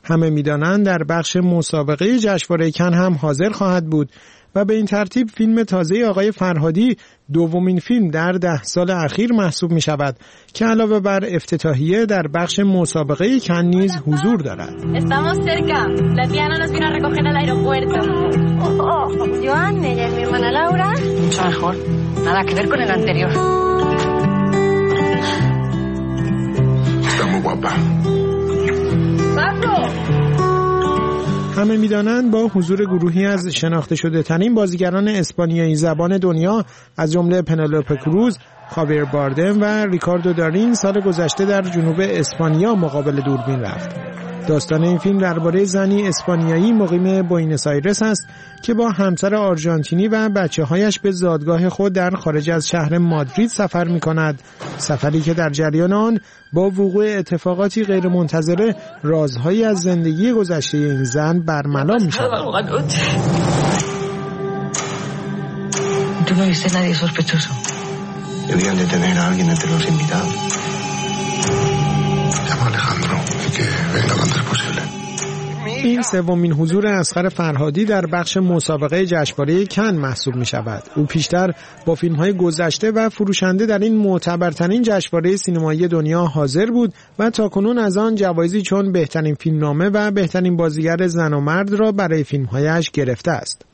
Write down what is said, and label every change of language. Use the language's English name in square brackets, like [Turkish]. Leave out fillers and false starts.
[Persian] همه می‌دانند در بخش مسابقه جشنواره کن هم حاضر خواهد بود و به این ترتیب فیلم تازه آقای فرهادی دومین فیلم در 10 سال اخیر محسوب می شود که علاوه بر افتتاحیه در بخش مسابقه کن نیز حضور دارد. [Spanish] Estamos cerca. La tía Ana nos vino a recoger al aeropuerto. Joan, ella es mi hermana Laura. Mucho mejor. Nada que ver con el anterior. Está muy guapa. Pablo. [Persian] همه می‌دانند با حضور گروهی از شناخته شده‌ترین بازیگران اسپانیایی زبان دنیا از جمله پنلوپ کروز، خاویر باردم و ریکاردو دارین سال گذشته در جنوب اسپانیا مقابل دوربین رفت. داستان این فیلم درباره زنی اسپانیایی مقیم بوئنوس آیرس است که با همسر آرژانتینی و بچه‌هایش به زادگاه خود در خارج از شهر مادرید سفر می‌کند، سفری که در جریان آن با وقوع اتفاقاتی غیرمنتظره رازهایی از زندگی گذشته این زن برملا می‌شود. [Spanish] Tú no viste nadie sospechoso. Nadie. Debían de tener a alguien entre los invitados. Llamo Alejandro. [Persian] این سومین حضور اصغر فرهادی در بخش مسابقه جشنواره کن محسوب می شود. او پیشتر با فیلم های گذشته و فروشنده در این معتبرترین جشنواره سینمایی دنیا حاضر بود و تاکنون از آن جوایزی چون بهترین فیلمنامه و بهترین بازیگر زن و مرد را برای فیلم هایش گرفته است.